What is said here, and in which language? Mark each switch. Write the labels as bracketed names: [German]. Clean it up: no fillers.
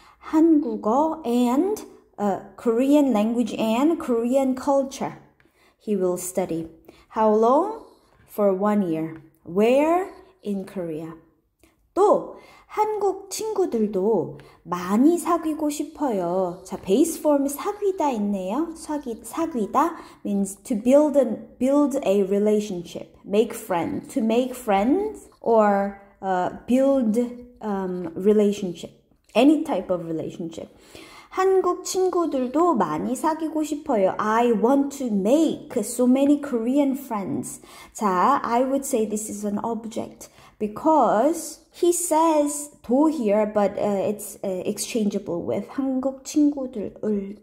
[English] 한국어 and Korean language and Korean culture he will study. How long? For 1 year. Where? In Korea. [Korean] 또 한국 친구들도 많이 사귀고 싶어요. [English] 자, base form 사귀다 있네요. 사귀다 means to build a relationship, make friends, to make friends or build relationship, any type of relationship. [Korean] 한국 친구들도 많이 사귀고 싶어요. [English] I want to make so many Korean friends. 자, I would say this is an object because he says 도 here, but it's exchangeable with [Korean] 한국 친구들을.